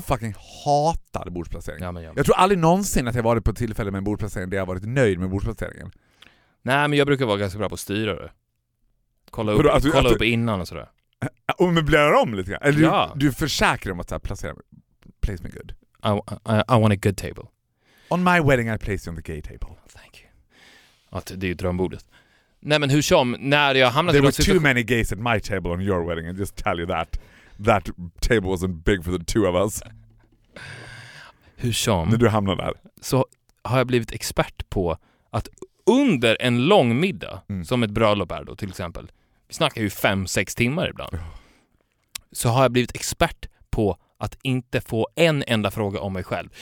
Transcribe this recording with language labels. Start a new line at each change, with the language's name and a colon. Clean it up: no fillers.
Swedish: Fucking hatar bordsplacering. Ja, men. Jag tror aldrig någonsin att jag varit på ett tillfälle med en bordsplacering där jag varit nöjd med bordsplaceringen. Nej, men jag brukar vara ganska bra på att styra det. Kolla upp innan och sådär. Och möblerar om lite grann. Eller ja. Du försäkrar om att så här, placera mig.
English: Place me good. I want a good table. On my wedding I place you on the gay table. Thank you.
Swedish: Att det är ju drömbordet. Nej, men hur som, när jag hamnade...
English: There were too many gays at my table on your wedding. I'll just tell you that. That table wasn't big for the two of us.
Swedish: Hur som... När du hamnade där. Så har jag blivit expert på att under en lång middag, mm. som ett bröllop är då till exempel, vi snackar ju 5-6 timmar ibland, så har jag blivit expert på att inte få en enda fråga om mig själv.